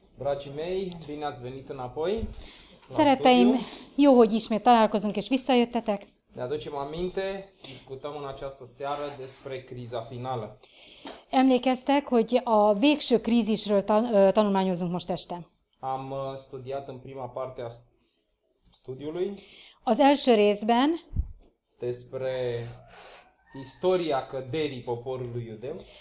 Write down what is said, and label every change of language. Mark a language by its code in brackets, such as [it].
[ro] Dragii mei, bine ați venit înapoi la [hu] Szeretteim, [ro] studiu. [hu] Jó, hogy ismét találkozunk és visszajöttetek. [ro] Ne aducem aminte, discutăm în această seară despre criza finală. [hu] Emlékeztek, hogy a végső krízisről tanulmányozunk most este. [ro] Am studiat în prima parte a studiului. [hu] Az első részben [ro] despre istoria căderii poporului iudeu.